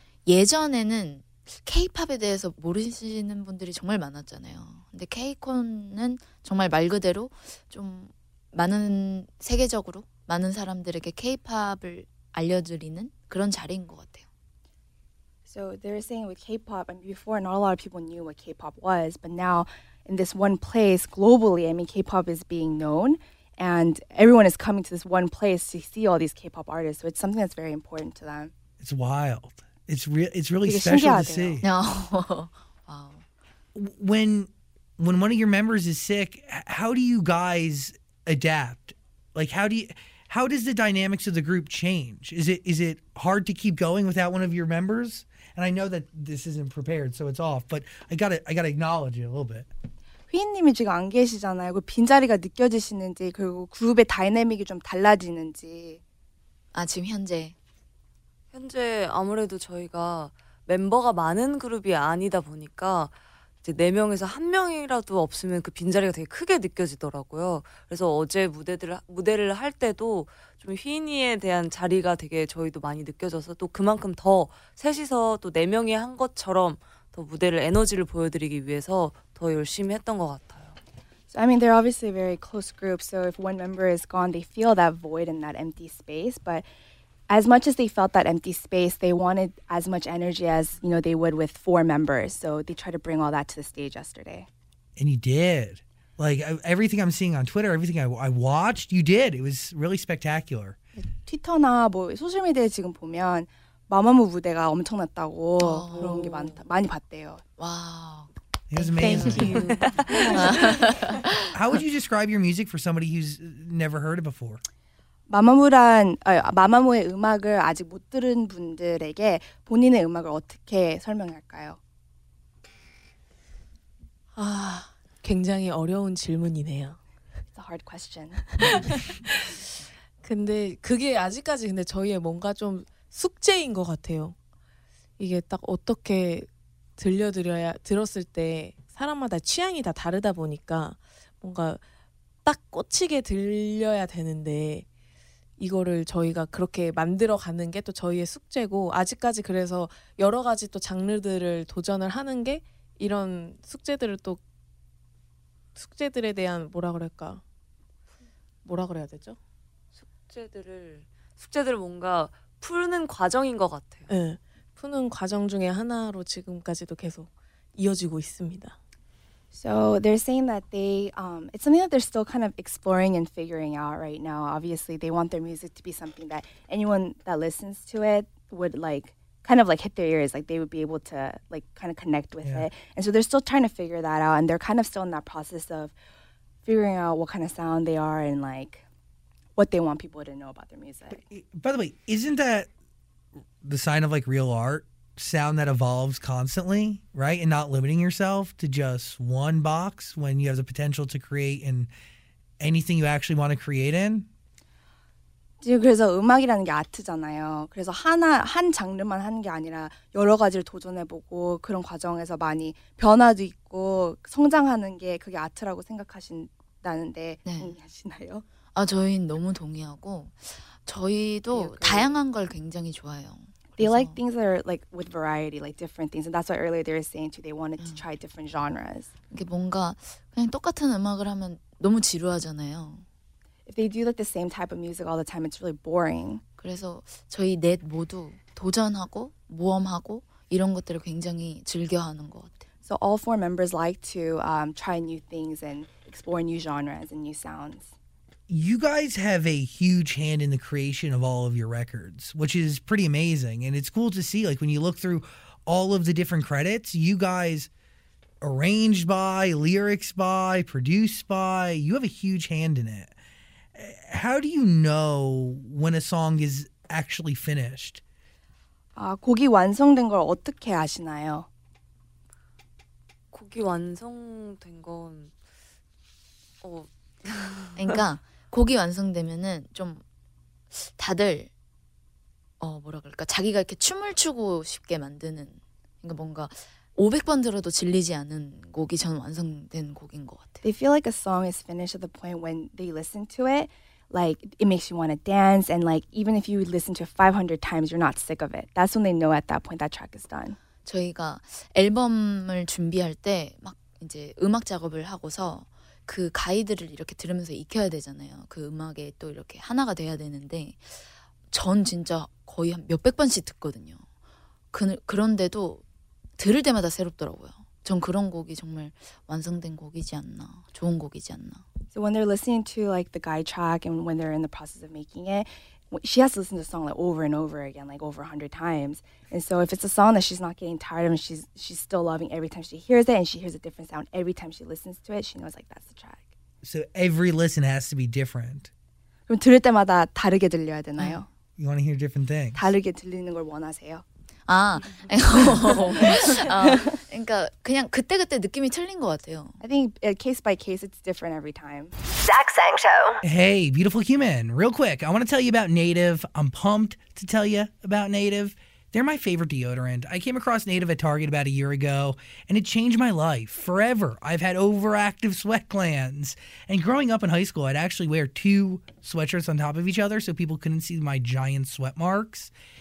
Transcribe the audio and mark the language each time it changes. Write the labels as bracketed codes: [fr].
[ko] 예전에는 K-POP에 대해서 모르시는 분들이 정말 많았잖아요. 근데 K-CON은 정말 말 그대로 좀 많은 세계적으로 많은 사람들에게 K-POP을 알려드리는 그런 자리인 것 같아요. [en] So they're saying with K-POP, and before not a lot of people knew what K-POP was, but now in this one place globally, I mean, K-POP is being known, and everyone is coming to this one place to see all these K-POP artists. So it's something that's very important to them. It's wild. It's really special to see. No. Wow. When when one of your members is sick, how do you guys adapt? Like, how does the dynamics of the group change? Is it hard to keep going without one of your members? And I know that this isn't prepared, so it's off, but I gotta acknowledge it a little bit. [ko] 휘인님이 지금 안 계시잖아요. 그 빈자리가 느껴지시는지 그리고 그룹의 다이내믹이 좀 달라지는지. 아 지금 현재 아무래도 저희가 멤버가 많은 그룹이 아니다 보니까 이제 네 명에서 한 명이라도 없으면 그 빈자리가 되게 크게 느껴지더라고요. 그래서 어제 무대를 할 때도 좀 휘인이에 대한 자리가 되게 저희도 많이 느껴져서 또 그만큼 더 셋이서 또 네 명이 한 것처럼 더 무대를 에너지를 보여드리기 위해서 더 열심히 했던 것 같아요. [en] So, I mean, they're obviously a very close group. So if one member is gone, they feel that void and that empty space. But as much as they felt that empty space, they wanted as much energy as, you know, they would with four members. So they tried to bring all that to the stage yesterday. And you did. Like, everything I'm seeing on Twitter, everything I watched, you did. It was really spectacular. [ko] 트위터나 뭐 소셜미디어 지금 보면 마마무 무대가 엄청났다고 그런 게 많이 봤대요. 와. [en] It was amazing. Thank you. How would you describe your music for somebody who's never heard it before? [ko] 마마무의 음악을 아직 못 들은 분들에게 본인의 음악을 어떻게 설명할까요? 아, 굉장히 어려운 질문이네요. [en] It's a hard question. [ko] 근데 그게 아직까지 근데 저희의 뭔가 좀 숙제인 것 같아요. 이게 딱 어떻게 들었을 때 사람마다 취향이 다 다르다 보니까 뭔가 딱 꽂히게 들려야 되는데 이거를 저희가 그렇게 만들어가는 게 또 저희의 숙제고 아직까지 그래서 여러 가지 또 장르들을 도전을 하는 게 이런 숙제들에 대한 뭐라 그래야 되죠? 숙제들을 뭔가 푸는 과정인 것 같아요. 네. 푸는 과정 중에 하나로 지금까지도 계속 이어지고 있습니다. [en] So they're saying that it's something that they're still kind of exploring and figuring out right now. Obviously, they want their music to be something that anyone that listens to it would like, kind of like hit their ears, like they would be able to like kind of connect with it. And so they're still trying to figure that out, and they're kind of still in that process of figuring out what kind of sound they are and like what they want people to know about their music. By the way, isn't that the sign of like real art? Sound that evolves constantly, right? And not limiting yourself to just one box when you have the potential to create in anything you actually want to create in. [ko] 지금 그래서 음악이라는 게 아트잖아요. 그래서 한 장르만 하는 게 아니라 여러 가지를 도전해보고 그런 과정에서 많이 변화도 있고 성장하는 게 그게 아트라고 생각하신다는데 네. 동의하시나요? 아 저희는 너무 동의하고 저희도 다양한 걸 굉장히 좋아해요. [en] They like things that are like with variety, like different things. And that's what earlier they were saying too. They wanted to try different genres. [ko] 이게 뭔가 그냥 똑같은 음악을 하면 너무 지루하잖아요. [en] If they do like the same type of music all the time, it's really boring. [ko] 그래서 저희 넷 모두 도전하고 모험하고 이런 것들을 굉장히 즐겨하는 것 같아요. [en] So all four members like to try new things and explore new genres and new sounds. You guys have a huge hand in the creation of all of your records, which is pretty amazing. And it's cool to see, like, when you look through all of the different credits, you guys arranged by, lyrics by, produced by, you have a huge hand in it. How do you know when a song is actually finished? [ko] 아, 곡이 완성된 걸 어떻게 아시나요? 곡이 완성된 건... 그러니까... 곡이 완성되면은 좀 다들 뭐라 그럴까 자기가 이렇게 춤을 추고 싶게 만드는 그러니까 뭔가 500번 들어도 질리지 않은 곡이 전 완성된 곡인 것 같아요. [en] They feel like a song is finished at the point when they listen to it, like it makes you want to dance, and like even if you listen to it 500 times, you're not sick of it. That's when they know at that point that track is done. [ko] 저희가 앨범을 준비할 때 막 이제 음악 작업을 하고서. 그 가이드를 이렇게 들으면서 익혀야 되잖아요. 그 음악에 또 이렇게 하나가 돼야 되는데 전 진짜 거의 한 몇백 번씩 듣거든요. 그런데도 들을 때마다 새롭더라고요. 전 그런 곡이 정말 완성된 곡이지 않나, 좋은 곡이지 않나. [en] So when they're listening to like the guide track and when they're in the process of making it, she has to listen to the song like over and over again, like over 100 times. And so if it's a song that she's not getting tired of and she's still loving every time she hears it, and she hears a different sound every time she listens to it, she knows like that's the track. So every listen has to be different. [ko] 그럼 들을 때마다 다르게 들려야 되나요? [en] You want to hear different things. [ko] 다르게 들리는 걸 원하세요? 아, 그러니까 그냥 그때그때 느낌이 틀린 것 같아요. [en] I think case by case, it's different every time. Zach Sang Show. Hey, beautiful human. Real quick, I want to tell you about Native. I'm pumped to tell you about Native. They're my favorite deodorant. I came across Native at Target about a year ago, and it changed my life forever. I've had overactive sweat glands. And growing up in high school, I'd actually wear two sweatshirts on top of each other so people couldn't see my giant sweat marks.